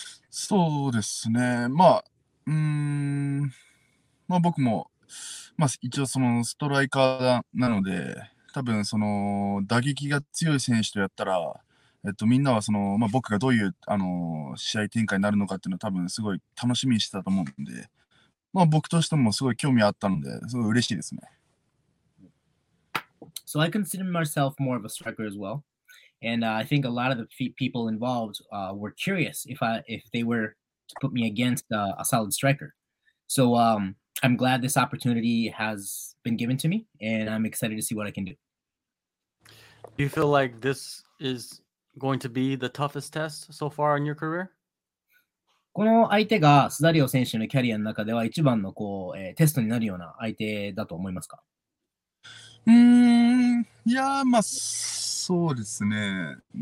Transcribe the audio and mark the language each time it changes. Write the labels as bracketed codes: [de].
[ja] そうですね、まあ、まあ僕も、まあ、一応そのストライカーなので多分その打撃が強い選手とやったら、みんなはその、まあ、僕がどういう試合展開になるのかっていうのは多分すごい楽しみにしてたと思うんで、まあ、僕としてもすごい興味あったので、すごい嬉しいですね。 [en] So I consider myself more of a striker as well. And I think a lot of the people involved were curious if they were to put me against a solid striker. So I'm glad this opportunity has been given to me and I'm excited to see what I can do. Do you feel like this is going to be the toughest test so far in your career? [ja] この相手がスダリオ選手のキャリアの中では一番のこう、テストになるような相手だと思いますか？いやー、まあそうですね。